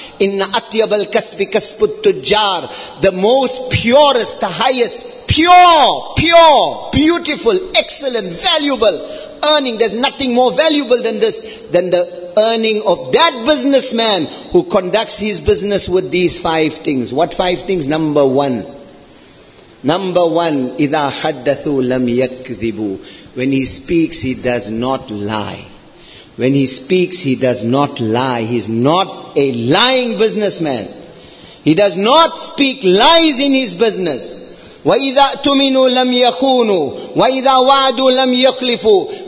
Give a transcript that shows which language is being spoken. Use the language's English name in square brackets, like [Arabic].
[Arabic] Inna atyabal kasbi kasbut tujjar. [English] The most purest, the highest, pure, beautiful, excellent, valuable earning. There's nothing more valuable than this, than the earning of that businessman who conducts his business with these five things. What five things? Number one, [Arabic] إِذَا حَدَّثُوا لَمْ يَكْذِبُوا. [English] When he speaks, he does not lie. When he speaks, he does not lie. He's not a lying businessman. He does not speak lies in his business. [Arabic] وَإِذَا أُؤْتُمِنُوا لَمْ يَخُونُوا وَإِذَا وَعَدُوا لَمْ يَخْلِفُوا.